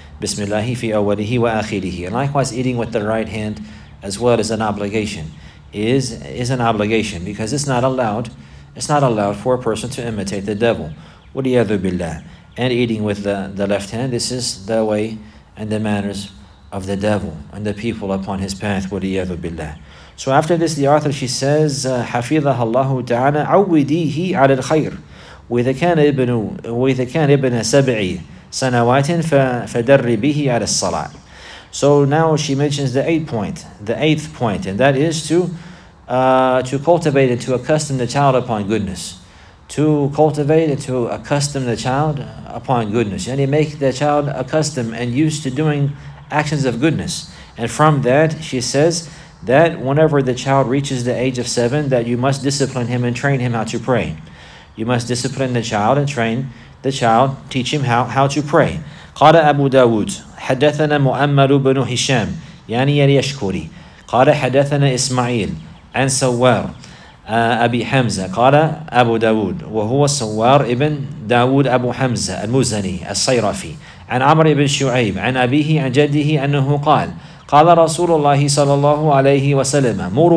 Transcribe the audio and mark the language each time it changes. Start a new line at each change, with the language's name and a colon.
Arabic: Bismillahi fi awwalihi wa akhirihi.
English: And likewise, eating with the right hand as well is an obligation. Is an obligation, because it's not allowed. It's not allowed for a person to imitate the devil.
Arabic: وَلِيَذُ بِاللَّهِ.
English: And eating with the left hand, this is the way and the manners of the devil and the people upon his path.
Arabic: وَلِيَذُ بِاللَّهِ.
English: So after this, the author, she says,
Arabic: حَفِظَهَ اللَّهُ تَعَالَى عَوِّدِيهِ عَلَى الْخَيْرِ وَإِذَا كَانَ ابْنَ سَبْعِ سَنَوَاتٍ فَدَرِّبِهِ عَلَى الصَّلَاةِ.
English: So now she mentions the eighth point, and that is to cultivate and to accustom the child upon goodness. To cultivate and to accustom the child upon goodness. And you make the child accustomed and used to doing actions of goodness. And from that, she says that whenever the child reaches the age of 7, that you must discipline him and train him how to pray. You must discipline the child and train the child, teach him how to pray.
Arabic: قال أبو داود حدثنا مؤمل بن هشام يعني يشكري قال حدثنا إسماعيل عن سوار أبي حمزة قال أبو داود وهو سوار ابن داود أبو حمزة المزني الصيرفي عن عمرو بن شعيب عن أبيه عن جده أنه قال قال رسول الله صلى الله عليه وسلم